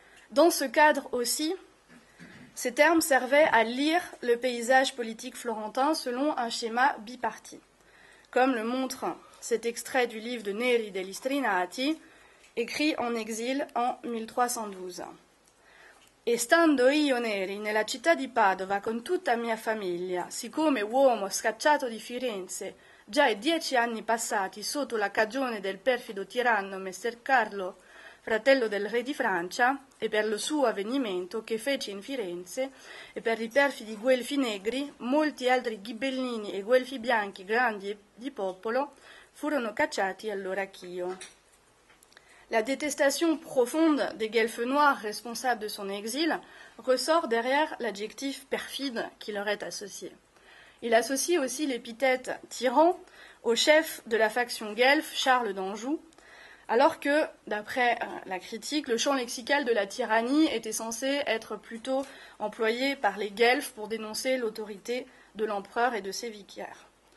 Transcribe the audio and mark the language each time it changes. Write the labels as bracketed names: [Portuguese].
[French] Dans ce cadre aussi, ces termes servaient à lire le paysage politique florentin selon un schéma biparti, comme le montre cet extrait du livre de Neri degli Strinati, écrit en exil en 1312. [Italian] « Estando io neri nella città di Padova con tutta mia famiglia, siccome uomo scacciato di Firenze, già è 10 anni passati sotto la cagione del perfido tiranno Messer Carlo, fratello del re di Francia, e per lo suo avvenimento che fece in Firenze, e per i perfidi guelfi negri, molti altri ghibellini e guelfi bianchi grandi di popolo furono cacciati allora ch'io. » [French] La détestation profonde des guelfes noirs responsables de son exil ressort derrière l'adjectif « perfide » qui leur est associé. Il associe aussi l'épithète « tyran » au chef de la faction guelfe, Charles d'Anjou, alors que, d'après la critique, le champ lexical de la tyrannie était censé être plutôt employé par les guelfes pour dénoncer l'autorité de l'empereur et de ses vicaires.